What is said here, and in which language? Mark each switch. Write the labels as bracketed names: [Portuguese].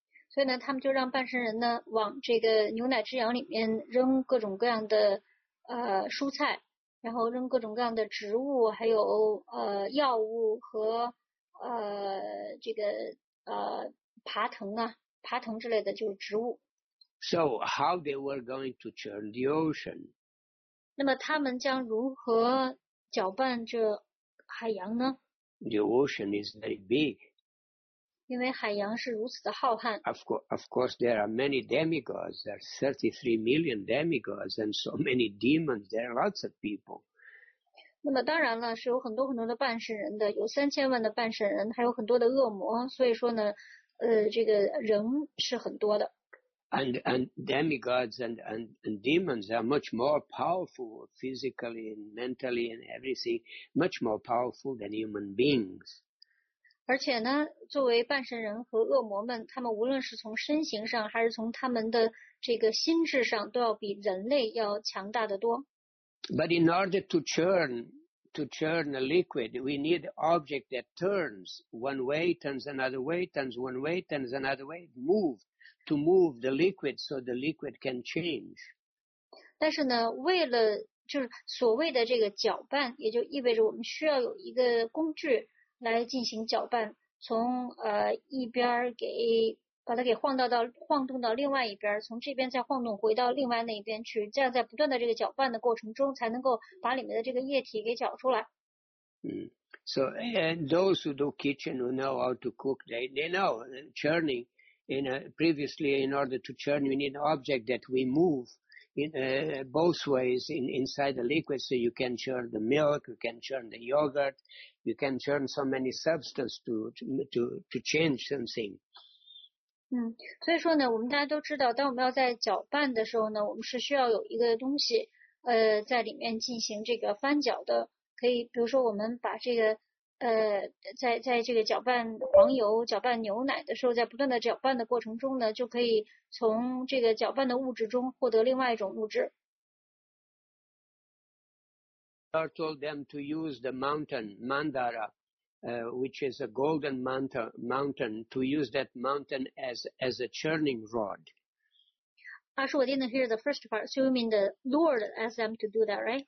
[Chinese] 所以呢，他们就让半身人呢往这个牛奶之羊里面扔各种各样的蔬菜，然后扔各种各样的植物，还有药物和这个爬藤之类的，就是植物。 [English] So how they were going to churn the ocean? [Chinese] 那么他们将如何搅拌这海洋呢? [English] The ocean is very big. [Chinese] 因为海洋是如此的浩瀚。 [English] Of course, there are many demigods. There are 33 million demigods and so many demons. There are lots of people. [Chinese] 那么当然了，是有很多很多的半神人的，有三千万的半神人，还有很多的恶魔。所以说呢，这个人是很多的。 [English] And demigods and demons are much more powerful physically and mentally and everything, much more powerful than human beings. [Chinese] 而且呢，作为半神人和恶魔们，他们无论是从身形上还是从他们的这个心智上，都要比人类要强大的多。 [English] But in order to churn a liquid, we need an object that turns one way, turns another way, turns one way, turns another way, move. To move the liquid so the liquid can change. [Chinese] 但是呢，为了就是所谓的这个搅拌，也就意味着我们需要有一个工具来进行搅拌，从一边给把它给晃动到另外一边，从这边再晃动回到另外那边去，这样在不断的这个搅拌的过程中，才能够把里面的这个液体给搅出来。 [English] So and those who do kitchen who know how to cook, they know churning. Previously, in order to churn, we need an object that we move in, both ways inside the liquid, so you can churn the milk, you can churn the yogurt, you can churn so many substances to change something. [Chinese] 所以说呢，我们大家都知道，当我们要在搅拌的时候呢，我们是需要有一个东西，在里面进行这个翻搅的。可以，比如说我们把这个。在这个搅拌黄油、搅拌牛奶的时候，在不断的搅拌的过程中呢，就可以从这个搅拌的物质中获得另外一种物质。 [English] I told them to use the mountain Mandara, which is a golden mountain, to use that mountain as a churning rod. Ashu, I didn't hear the first part. So you mean the Lord asked them to do that, right?